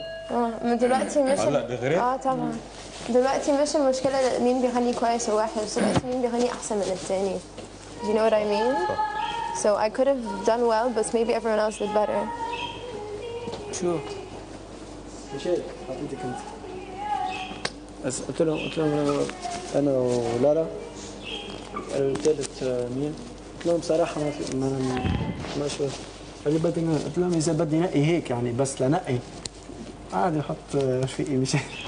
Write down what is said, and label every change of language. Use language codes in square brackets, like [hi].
[en] No, but my voice doesn't do that. It's in my throat. [ar] دلوقتي مش المشكلة مين بيغني كويس وواحد بس دلوقتي مين بيغني أحسن من التاني [en] Do you know what I mean? So I could have done well but maybe everyone else did better [ar] شو؟ مشيل حطيتك انت قلت لهم أنا ولارا الثالث مين؟ قلت لهم صراحة ما في ما شو قلت لهم إذا بدي نقي هيك يعني بس لنقي عادي حط رفيقي مشيل